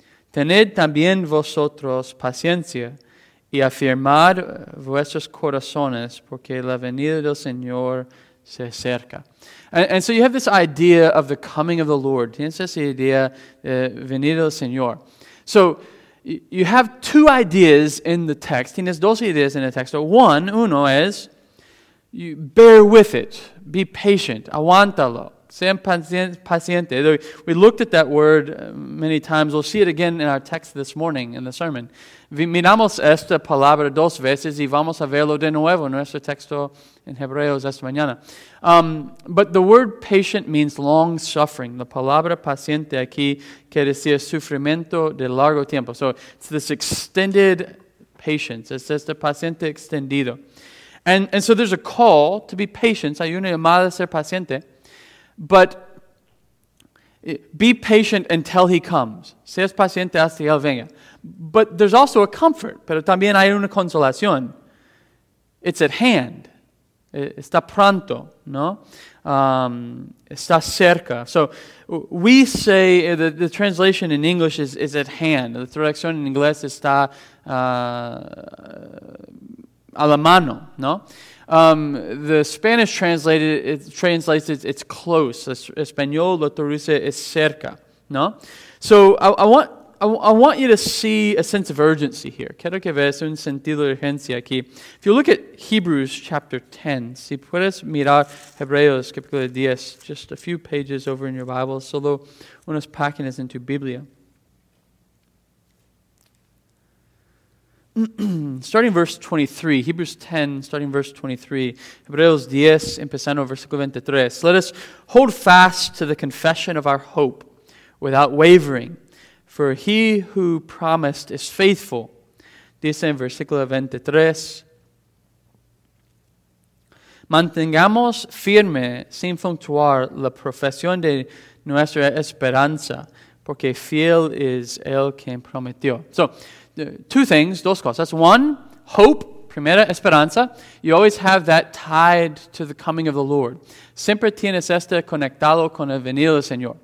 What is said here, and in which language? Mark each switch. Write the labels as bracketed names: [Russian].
[Spanish] Tened también vosotros paciencia y afirmad vuestros corazones, porque la venida del Señor se acerca. [English] And so you have this idea of the coming of the Lord. [Spanish] Tienes esa idea de venida del Señor. [English] So you have two ideas in the text. [Spanish] Tienes dos ideas en el texto. Uno es, [English] you bear with it. Be patient. [Spanish] Aguántalo. Sean paciente. [English] We looked at that word many times. We'll see it again in our text this morning in the sermon. [Spanish] Miramos esta palabra dos veces y vamos a verlo de nuevo en nuestro texto en Hebreos esta mañana. [English] But the word patient means long suffering. [Spanish] La palabra paciente aquí quiere decir sufrimiento de largo tiempo. [English] So it's this extended patience. [Spanish] Es este paciente extendido. [English] And so there's a call to be patient. [Spanish] Hay una llamada a ser paciente. [English] But be patient until he comes. [Spanish] Seas paciente hasta que él venga. [English] But there's also a comfort. [Spanish] Pero también hay una consolación. [English] It's at hand. [Spanish] Está pronto, ¿no? Está cerca. [English] So we say, the translation in English is at hand. [Spanish] La traducción en inglés está a la mano, ¿no? [English] The Spanish translates it, it's close. [Spanish] Español lo traduce es cerca, ¿no? [English] So I want you to see a sense of urgency here. [Spanish] Quiero que veas un sentido de urgencia aquí. [English] If you look at Hebrews chapter 10, [Spanish] si puedes mirar Hebreos capítulo 10, [English] just a few pages over in your Bible, [Spanish] solo unas páginas en tu Biblia. [English] Starting verse 23, Hebrews 10, starting verse 23, [Spanish] Hebreos 10, empezando versículo 23. [English] Let us hold fast to the confession of our hope without wavering, for he who promised is faithful. [Spanish] dice en versículo 23, mantengamos firme, sin fluctuar, la profesión de nuestra esperanza, porque fiel es el que prometió. [English] So, two things, [Spanish] dos cosas. [English] One, hope, [Spanish] primera, esperanza. [English] You always have that tied to the coming of the Lord. [Spanish] Siempre tienes este conectado con el venir del Señor.